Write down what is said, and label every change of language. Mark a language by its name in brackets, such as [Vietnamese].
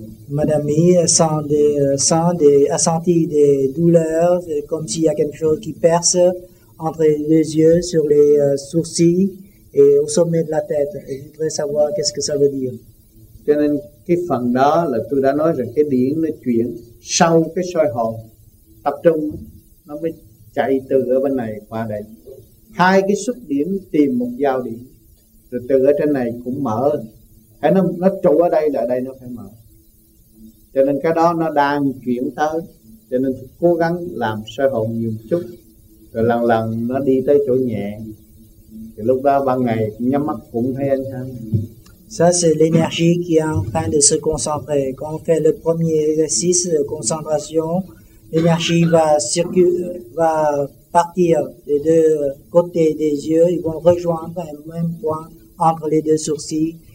[French] Madame sent des a senti des douleurs, comme s'il y a quelque chose qui perce entre les yeux, sur les sourcils et au sommet de la tête. Et je voudrais savoir qu'est-ce que ça veut dire. [Vietnamese] Cho nên cái phần đó là tôi đã nói rằng cái điện nó chuyển sau cái soi hồn tập trung, nó mới chạy từ ở bên này qua đây. Hai cái xuất điểm tìm một giao điểm, rồi từ ở trên này cũng mở. Hãy nó trụ ở đây là ở đây nó phải mở. Cho nên cái đó nó đang chuyển tới. Cho nên cố gắng làm sơ hồn nhiều một chút, rồi lần lần nó đi tới chỗ nhẹ. Thì lúc đó ban ngày nhắm mắt cũng thấy ánh sáng. [French] Ça c'est l'énergie qui est en train de se concentrer. Quand on fait le premier exercice de concentration, l'énergie va partir des deux côtés des yeux. Ils vont rejoindre un même point entre les deux sourcils.